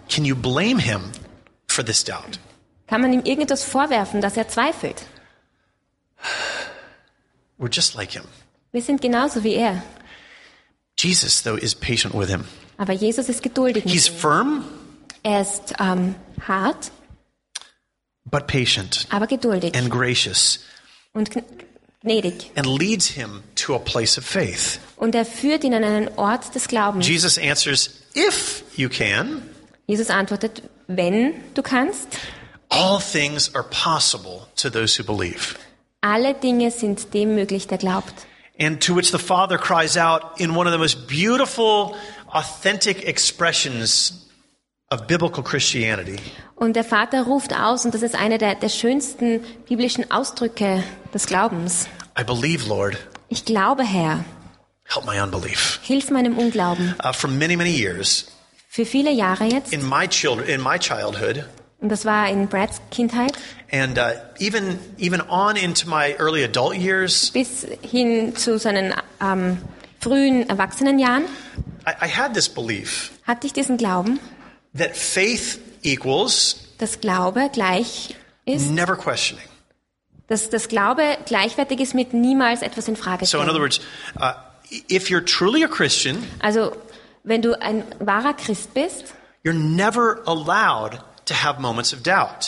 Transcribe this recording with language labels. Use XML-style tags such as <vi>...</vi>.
<en>Can you blame him for this doubt?</en> <de>Kann man ihm irgendetwas vorwerfen, dass er zweifelt?</de> <en>We're just like him.</en> <de>Wir sind genauso wie er.</de> <en>Jesus, though, is patient with him.</en> <de>Aber Jesus ist geduldig.</de> <en>He's firm.</en> <de>Er ist hart.</de> <en>But patient.</en> <de>Aber geduldig.</de> <en>And gracious.</en> <de>Und gnädig.</de> <en>And leads him to a place of faith.</en> <de>Und er führt ihn an einen Ort des Glaubens.</de> <en>Jesus answers, if you can.</en> <de>Jesus antwortet, wenn du kannst.</de> <en>All things are possible to those who believe.</en> <de>Alle Dinge sind dem möglich, der glaubt.</de> <en>And to which the Father cries out in one of the most beautiful, authentic expressions of biblical Christianity.</en> <de>Und der Vater ruft aus, und das ist einer der schönsten biblischen Ausdrücke des Glaubens.</de> <en>I believe, Lord.</en> <de>Ich glaube, Herr.</de> <en>Help my unbelief.</en> <de>Hilf meinem Unglauben.</de> <en>For many, many years.</en> <de>Für viele Jahre jetzt.</de> <en>In my childhood.</en> <de>Und das war in Brads Kindheit.</de> <en>And even on into my early adult years.</en> <de>Bis hin zu seinen frühen Erwachsenenjahren.</de> <en>I had this belief.</en> <de>Hatte ich diesen Glauben.</de> <en>That faith equals.</en> <de>Dass Glaube gleich ist.</de> <en>Never questioning.</en> <de>Dass das Glaube gleichwertig ist mit niemals etwas in Frage stellen.</de> <en>So in other words, if you're truly a Christian.</en> <de>Also wenn du ein wahrer Christ bist.</de> <en>You're never allowed to have moments of doubt.</en>